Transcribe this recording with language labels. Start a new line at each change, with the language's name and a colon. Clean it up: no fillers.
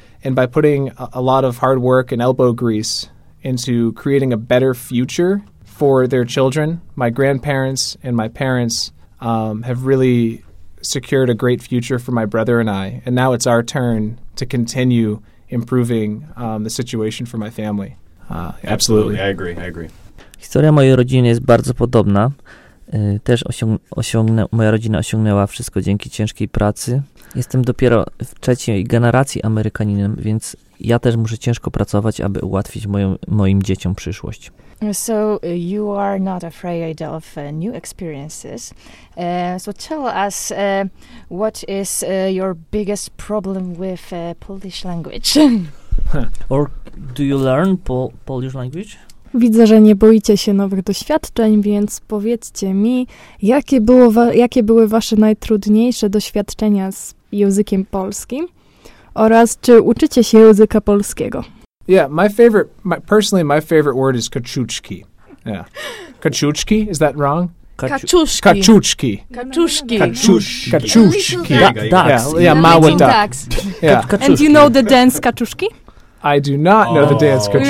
English: And by putting a lot of hard work and elbow grease into creating a better future for their children, my grandparents and my parents have really secured a great future for my brother and I. And now it's our turn to continue improving the situation for my family. Absolutely. I agree.
Polish: Historia mojej rodziny jest bardzo podobna. Też moja rodzina osiągnęła wszystko dzięki ciężkiej pracy. Jestem dopiero w trzeciej generacji Amerykaninem, więc ja też muszę ciężko pracować, aby ułatwić moim dzieciom przyszłość.
English: So you are not afraid of new experiences. So tell us what is your biggest problem with Polish language? Or do you learn Polish language?
Polish: Widzę, że nie boicie się nowych doświadczeń, więc powiedzcie mi, jakie były wasze najtrudniejsze doświadczenia z językiem polskim oraz czy uczycie się języka polskiego?
English: Yeah, my favorite word is kaczuczki. Yeah. Kaczuczki? Is that wrong?
Polish: Kaczuszki. Kaczuczki. Kaczuszki. Kaczuszki.
English: Ducks. Yeah, mały duck. Yeah. Kaczuszki. And you know the dance kaczuszki? I do not know the dance country.